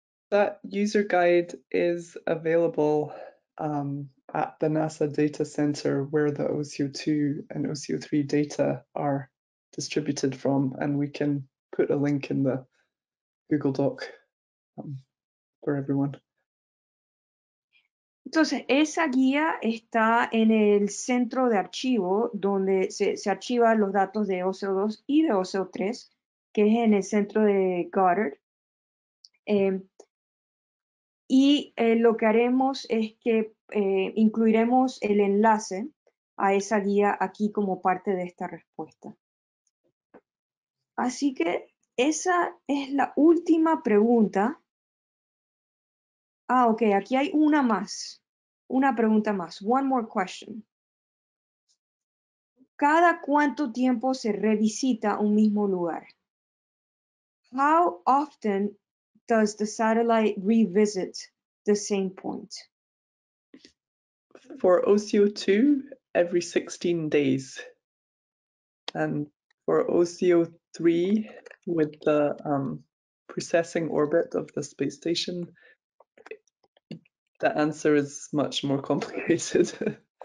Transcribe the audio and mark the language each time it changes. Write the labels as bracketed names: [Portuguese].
[English] That user guide is available at the NASA Data Center, where the OCO2 and OCO3 data are distributed from, and we can put a link in the Google Doc for everyone. [Spanish] Entonces, esa guía está en el centro de archivo donde se archivan los datos de OCO2 y de OCO3, que es en el centro de Goddard. Lo que haremos es que incluiremos el enlace a esa guía aquí como parte de esta respuesta. Así que esa es la última pregunta. Ah, ok, aquí hay una más. Una pregunta más. [English] One more question. [Spanish] ¿Cada cuánto tiempo se revisita un mismo lugar? [English] How often does the satellite revisit the same point? For OCO2, every 16 days. And for OCO3, with the precessing orbit of the space station, the answer is much more complicated.